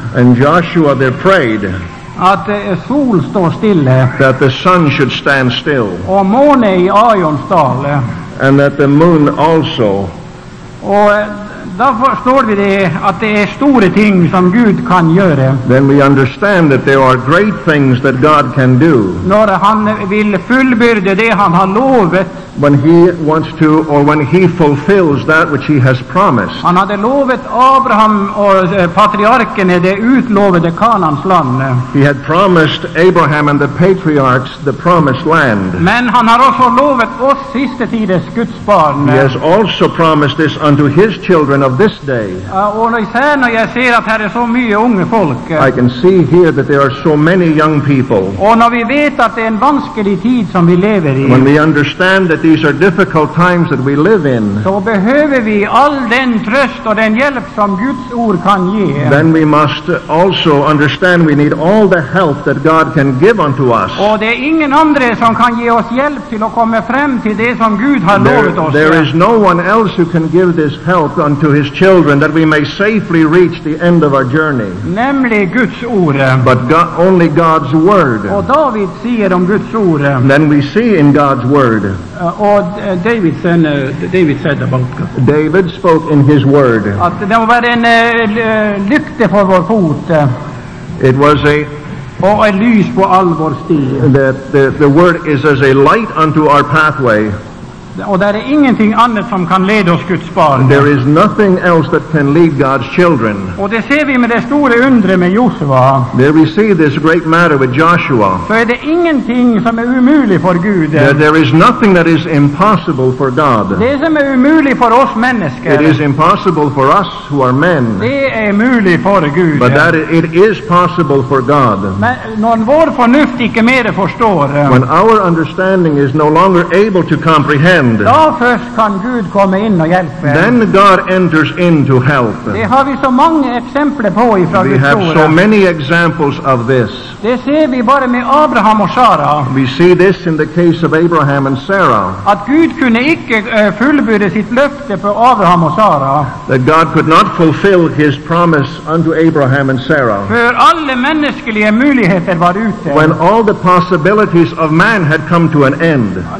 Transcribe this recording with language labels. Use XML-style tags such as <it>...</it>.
<en>And Joshua there prayed.</en> <sv>Att sol står stille.</sv> <en>That the sun should stand still.</en> <sv>Och måne i Aions dal.</sv> <en>And that the moon also.</en> <sv>Och då förstår vi det att det är stora ting som Gud kan göra.</sv> <en>Then we understand that there are great things that God can do.</en> <sv>När han vill fullbyrda det han har lovat.</sv> <en>When he wants to or when he fulfills that which he has promised.</en> <sv>Han hade lovat Abraham och patriarken det utlovade Kanaans land.</sv> <en>He had promised Abraham and the patriarchs the promised land.</en> <sv>Men han har också lovat oss sista tiders Guds barn.</sv> <en>He has also promised this unto his children of this day.</en> <sv>Och jag ser att här är så mycket unga folk.</sv> <en>I can see here that there are so many young people.</en> <sv>Och när vi vet att det är en vansklig tid som vi lever i.</sv> <en>When we understand that these are difficult times that we live in.</en> <sv>Så behöver vi all den tröst och den hjälp som Guds ord kan ge.</sv> <en>Then we must also understand we need all the help that God can give unto us.</en> <sv>Och det är ingen andre som kan ge oss hjälp till att komma fram till det som Gud har lovat oss.</sv> <en>There is no one else who can give this help unto his children that we may safely reach the end of our journey.</en> <sv>Nämligen Guds ord.</sv> <en>But only God's word.</en> <sv>Och David säger om Guds ord.</sv> <en>Then we see in God's word. David spoke in his word.</en> <sv>Att det var en lykte på vår fot.</sv> <en>It was a</en> <sv>och ett ljus på all vår stig.</sv> <en>The word is as a light unto our pathway.</en> <sv>Och där är ingenting annat som kan leda oss Guds barn.</sv> <en>There is nothing else that can lead God's children.</en> <sv>Och det ser vi med det stora undret med Josua.</sv> <en>There we see this great matter with Joshua.</en> <sv>För det är ingenting som är omöjligt för Gud.</sv> <en>There is nothing that is impossible for God.</en> <sv>Det som är omöjligt för oss människor.</sv> <en>It is impossible for us who are men.</en> <sv>Det är möjligt för Gud.</sv> <en>But that it is possible for God.</en> <sv>Men när vår förnuft inte mer förstår.</sv> <en>When our understanding is no longer able to comprehend.</en> <sv>Då först kan Gud komma in och hjälpa.</sv> <en>Then God enters in to help.</en> <sv>Det har vi så många exempel på ifrån Guds ord.</sv> <en>We have so many examples of this.</en> <sv>Det ser vi bara med Abraham och Sara.</sv> <en>We see this in the case of Abraham and Sarah.</en> <sv>Att Gud kunde icke fullbyrda sitt löfte för Abraham och Sara.</sv> <en>That God could not fulfill his promise unto Abraham and Sarah.</en> <sv>För alla mänskliga möjligheter var ute.</sv> <en>When all the possibilities of man had come to an end.</en>